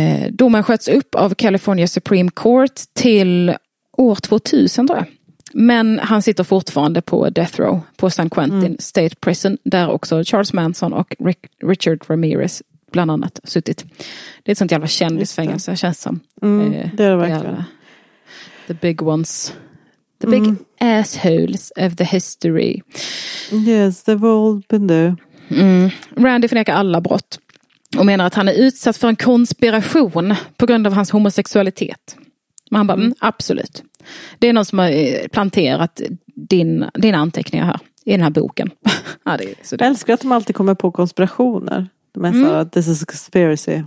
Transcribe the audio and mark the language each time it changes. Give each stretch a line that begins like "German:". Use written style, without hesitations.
Swedish: Domen sköts upp av California Supreme Court till år 2000 då. Men han sitter fortfarande på death row på San Quentin State Prison där också Charles Manson och Richard Ramirez bland annat suttit. Det är ett sånt jävla kändisfängelse känns som. Mm, det är det verkligen. Jävla,
English: the big ones. The big assholes of the history. Yes, they've all been there.
Swedish: Randy förnekar alla brott. Och menar att han är utsatt för en konspiration på grund av hans homosexualitet. Men han bara, absolut. Det är någon som har planterat dina anteckningar här. I den här boken. Ja, det är så jag älskar att de alltid kommer på konspirationer. De är så att
English: this is a conspiracy.